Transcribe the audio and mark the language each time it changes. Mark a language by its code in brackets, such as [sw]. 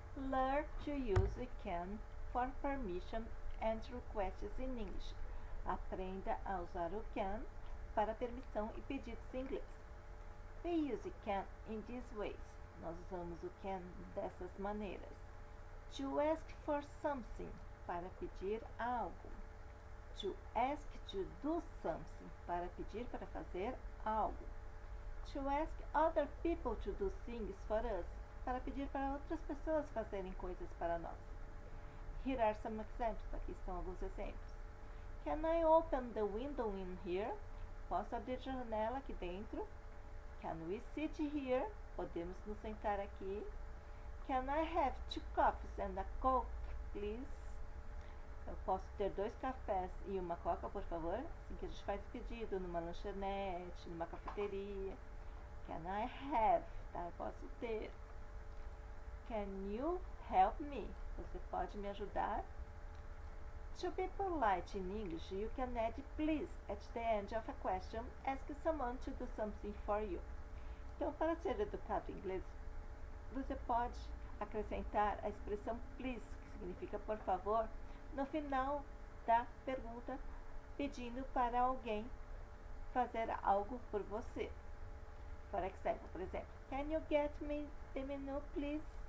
[en] Learn to use can for permission and requests in English. [pt] Aprenda a usar o can para permissão e pedidos em inglês. [en] We use can in these ways. [pt] Nós usamos o can dessas maneiras. [en] To ask for something, [pt] para pedir algo. [en] To ask to do something, [pt] para pedir para fazer algo. [en] To ask other people to do things for us, [pt] para pedir para outras pessoas fazerem coisas para nós. [en] Here are some examples. [pt] Aqui estão alguns exemplos. [en] Can I open the window in here? [pt] Posso abrir a janela aqui dentro? [en] Can we sit here? [pt] Podemos nos sentar aqui? [en] Can I have two coffees and a coke, please? [pt] Eu posso ter dois cafés e uma coca, por favor? Assim que a gente faz o pedido numa lanchonete, numa cafeteria. [en] Can I have? [pt] Tá? Eu posso ter. [en] Can you help me? [pt] Você pode me ajudar? [en] To be polite in English, you can add please at the end of a question, ask someone to do something for you. [pt] Então, para ser educado em inglês, você pode acrescentar a expressão please, que significa por favor, no final da pergunta, pedindo para alguém fazer algo por você. Por exemplo, [en] can you get me the menu, please?